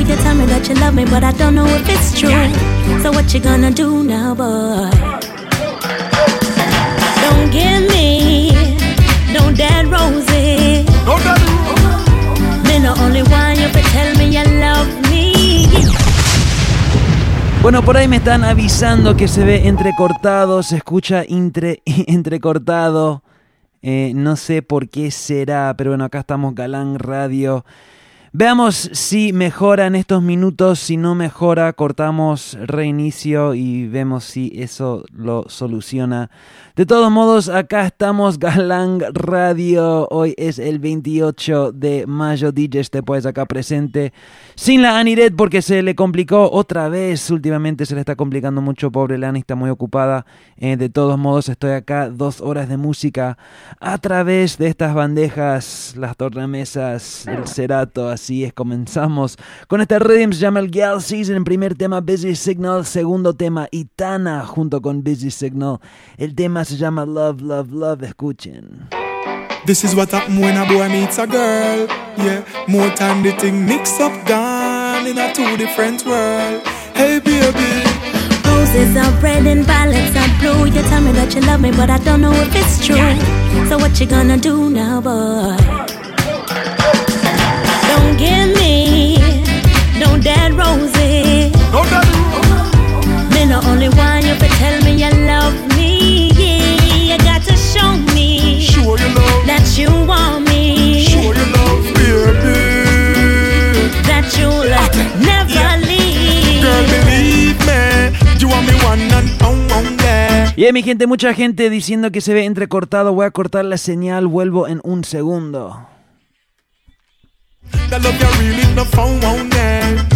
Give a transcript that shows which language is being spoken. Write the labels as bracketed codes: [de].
[en] You tell me that you love me, but I don't know if it's true. So what you gonna do now, boy? Don't give me no dead roses. No dead roses. Me the only one you can tell me you love me. [es] Bueno, por ahí me están avisando que se ve entrecortado, se escucha entrecortado. No sé por qué será, pero bueno, acá estamos Galán Radio. Veamos si mejora en estos minutos. Si no mejora, cortamos reinicio y vemos si eso lo soluciona. De todos modos, acá estamos Galán Radio. Hoy es el 28 de mayo. DJ Stepwise acá presente. Sin la Aniret porque se le complicó otra vez. Últimamente se le está complicando mucho. Pobre Lani, está muy ocupada. De todos modos, estoy acá 2 horas de música a través de estas bandejas, las tornamesas, el cerato. Así es, comenzamos con este rhythm, se llama el Gal Season, primer tema Busy Signal, segundo tema Itana junto con Busy Signal, el tema se llama Love, Love, Love, escuchen. [en] This is what happen when a boy meets a girl, yeah, more time the thing mix up gone in a two different world, hey baby. Roses are red and violets are blue, you tell me that you love me but I don't know if it's true, so what you gonna do now boy? Don't give me no dead roses. No dead roses. Me the only one you can tell me you love me. You got to show me. Show your love. That you want me. Show your love, baby. That you'll never leave. Girl, believe me. You are me one and only. [es] Yeah, mi gente, mucha gente diciendo que se ve entrecortado. Voy a cortar la señal. Vuelvo en un segundo. [en] That love you really no phone won't end.